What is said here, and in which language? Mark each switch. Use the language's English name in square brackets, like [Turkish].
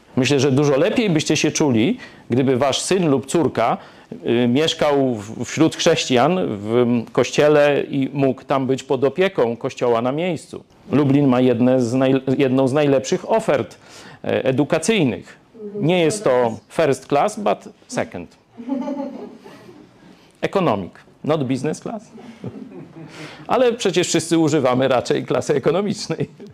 [Polish] Myślę, że dużo lepiej byście się czuli, gdyby wasz syn lub córka mieszkał wśród chrześcijan w kościele i mógł tam być pod opieką kościoła na miejscu. Lublin ma jedną z najlepszych ofert edukacyjnych. Nie jest to [English] first class, but second. Economic, not business class. [Polish] Ale przecież wszyscy używamy raczej klasy ekonomicznej.